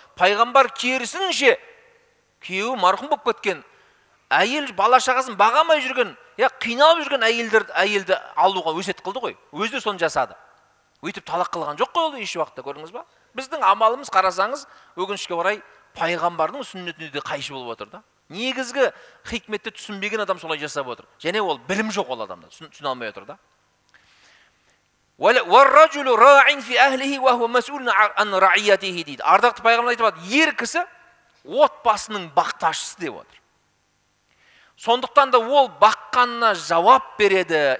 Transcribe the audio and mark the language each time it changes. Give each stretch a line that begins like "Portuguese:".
Kazakh: Пайғамбар керісінше, күйеуі марқұм болып кеткен, әйел бала шағасын бағамай жүрген, я қиналып жүрген әйелді алуға өсет қылды ғой. Өзі де соны жасады. Өйтіп талақ қылған жоқ қой ол еш уақытта, көрдіңіз ба? Біздің амалымыз қарасаңыз, өкінішке орай пайғамбардың сүннетіне де қайшы болып отыр да. Негізгі хикметті түсінбеген адам солай жасап отыр. Және ол білім жоқ ол адамда, түсіне алмай отыр да.
Arabic: وَالرَّجُلُ رَاعٍ فِي أَهْلِهِ وَهُوَ مَسْئُولٌ عَنْ رَعِيَّتِهِ
Kazakh: дейді. Ардақты пайғамбар айтып отыр, ер кісі отбасының бақташысы деп отыр. Сондықтан да ол баққанына жауап береді.